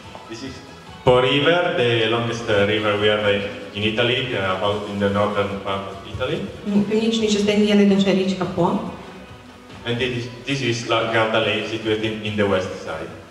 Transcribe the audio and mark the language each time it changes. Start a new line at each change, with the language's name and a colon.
English: This is Po River, the longest river we have in Italy, about in the northern part of Italy.
Ukrainian: У північній частині є найдовша річка Po.
English: And this is La Garda Lake situated in the west side.